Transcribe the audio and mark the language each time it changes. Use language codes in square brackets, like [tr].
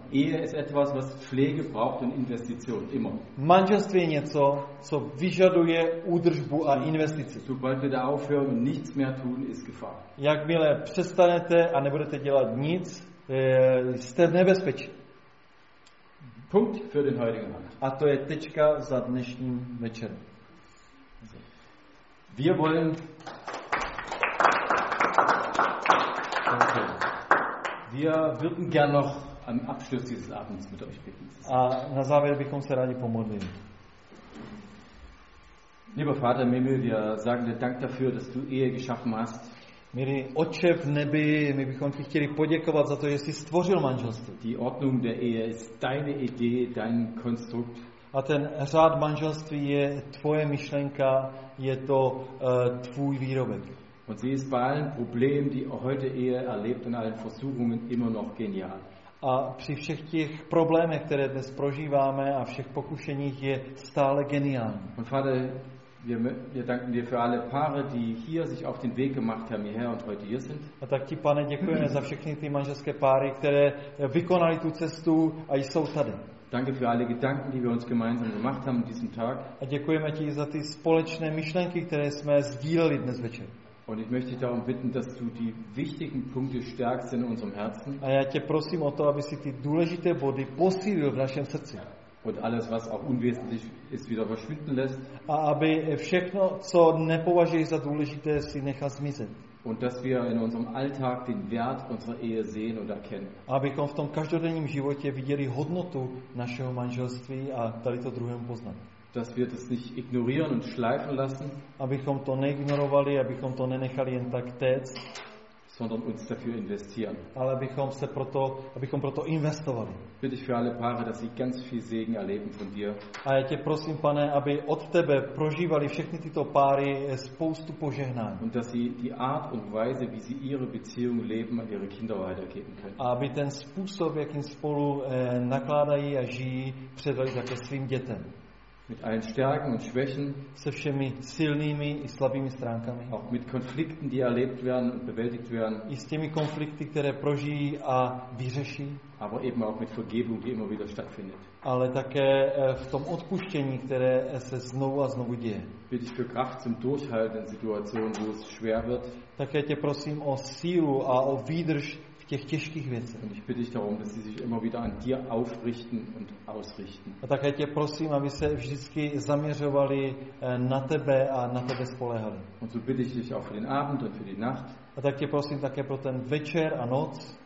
[de] Ehe ist etwas, was Pflege braucht und Investition immer. [cs] Manželství je něco, co vyžaduje údržbu a investici. [de] Sobald wir da aufhören und nichts mehr tun, ist Gefahr. [cs] Jakmile přestanete a nebudete dělat nic, jste v nebezpečí. [de] Punkt für den heutigen Abend. [cs] A to je tečka za dnešním večerem. [de] Wir wollen Wir würden gern noch am Abschluss dieses Abends mit euch bitten. [cs] A na závěr bychom se rádi pomodlili. [de] Lieber Vater im Himmel, wir sagen dir Dank dafür, dass du Ehe geschaffen hast. [cs] Milý Otče v nebi, my bychom ti chtěli poděkovat za to, že jsi stvořil manželství. [de] Die Ordnung der Ehe ist deine Idee, dein Konstrukt. [cs] A ten řád manželství je tvoje myšlenka, je to tvůj výrobek. [de] Und sie ist bei allen Problemen, die heute Ehe erlebt und allen Versuchungen immer noch genial. [cs] A při všech těch problémech, které dnes prožíváme a všech pokušeních, je stále geniální. [de] Und Vater, wir danken dir für alle Paare, die hier sich auf den Weg gemacht haben hierher und heute hier sind. [cs] A tak ti, Pane, děkujeme za všechny ty manželské páry, které vykonali tu cestu a jsou tady. [de] Danke für alle Gedanken, die wir uns gemeinsam gemacht haben diesen Tag. [cs] A děkujeme ti za ty společné myšlenky, které jsme sdíleli dnes večer. [de] Und ich möchte dich darum bitten, dass du die wichtigen Punkte stärkst in unserem Herzen. [cs] A já tě prosím o to, aby si ty důležité body posílil v našem srdci. [de] Und alles, was auch unwesentlich ist, wieder verschwinden lässt. [cs] A aby všechno, co nepovažuješ za důležité, si nechal zmizet. [de] Und dass wir in unserem Alltag den Wert unserer Ehe sehen und erkennen. [cs] Abychom v tom každodenním životě viděli hodnotu našeho manželství a dali to druhému poznat. [de] Dass wir das nicht ignorieren und schleifen lassen. [cs] Abychom to neignorovali, abychom to nenechali jen tak téct. [de] Sondern uns dafür investieren. [cs] Ale abychom proto investovali. [de] Bitte für alle Paare, dass sie ganz viel Segen erleben von dir. [cs] A já tě prosím, Pane, aby od tebe prožívali všechny tyto páry spoustu požehnání. [de] Und dass sie die Art und Weise, wie sie ihre Beziehung leben, an ihre Kinder weitergeben können. [cs] A aby ten způsob, jakým spolu nakládají a žijí, předali také svým dětem. [de] Mit allen Stärken und Schwächen, [cs] se všemi silnými i slabými stránkami, [de] auch mit Konflikten, die erlebt werden und bewältigt werden, [cs] i s těmi konflikty, které prožijí a vyřeší, [de] aber eben auch mit Vergebung, die immer wieder stattfindet, [cs] ale také v tom odpuštění, které se znovu a znovu děje. [de] Bitte für Kraft zum Durchhalten in Situationen, wo es schwer wird. [cs] Také tě prosím o sílu a o výdrž v těch těžkých věcech. [de] Und ich bitte dich darum, dass sie sich immer wieder an dir aufrichten und ausrichten. [cs] A také tě prosím, aby se vždycky zaměřovali na tebe a na tebe spolehali. [de] Und so bitte ich dich auch für den Abend und für die Nacht. [cs] A tak tě prosím také pro ten večer a noc.